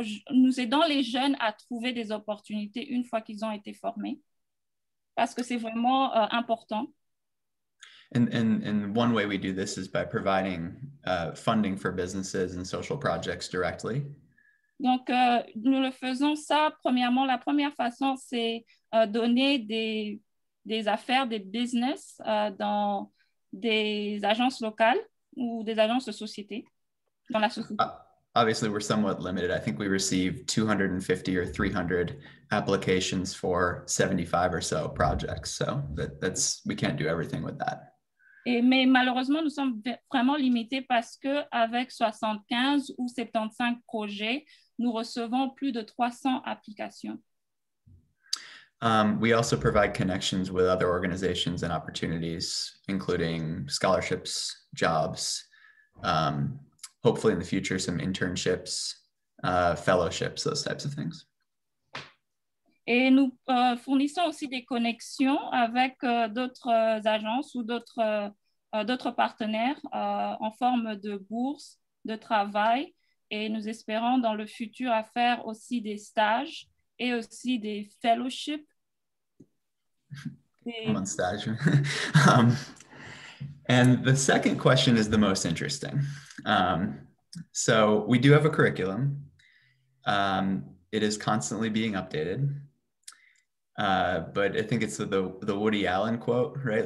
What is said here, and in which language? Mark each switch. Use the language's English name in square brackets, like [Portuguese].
[French] Nous aidons les jeunes à trouver des opportunités une fois qu'ils ont été formés, parce que c'est vraiment important. [English] And one way we do this is by providing funding for businesses and social projects directly. [French] Donc, nous le faisons ça premièrement. La première façon, c'est donner des affaires, des business dans des agences locales ou des agences de société, dans la société. [English] Obviously, we're somewhat limited. I think we received 250 or 300 applications for 75 or so projects. So that's we can't do everything with that. [French] Mais malheureusement, nous sommes vraiment limités parce qu'avec 75 ou 75 projets, nous recevons plus de 300 applications. [English] We also provide connections with other organizations and opportunities, including scholarships, jobs, hopefully in the future, some internships, fellowships, those types of things. [French] Et nous fournissons aussi des connexions avec d'autres agences ou d'autres partenaires en forme de bourses, de travail. Et nous espérons dans le futur à faire aussi des stages et aussi des fellowships. [English] Come on, stage. And the second question is the most interesting. So we do have a curriculum. It is constantly being updated. But I think it's the Woody Allen quote, right?